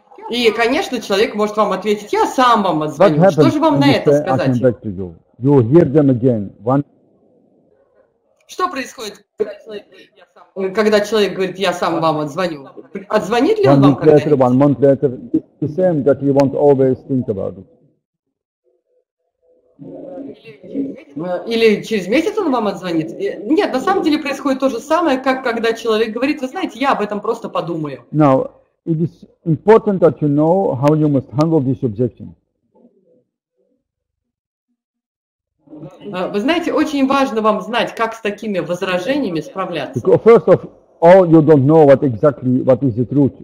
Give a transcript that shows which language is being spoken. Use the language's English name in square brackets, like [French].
[Russian] И, конечно, человек может вам ответить, я сам вам отзвоню. Что же вам на это сказать? [English] I'll get back to you. You'll hear them again. [Russian] Что происходит, когда человек говорит, я сам вам отзвоню? Отзвонит ли он вам когда-нибудь? [English] One month later, it's the same that you won't always think about it. [Russian] Или через месяц он вам отзвонит? Нет, на самом деле происходит то же самое, как когда человек говорит, вы знаете, я об этом просто подумаю. [English] Now, it is important that you know how you must handle this objection. [Russian] Вы знаете, очень важно вам знать, как с такими возражениями справляться. [English] Because first of all, you don't know what exactly what is the truth.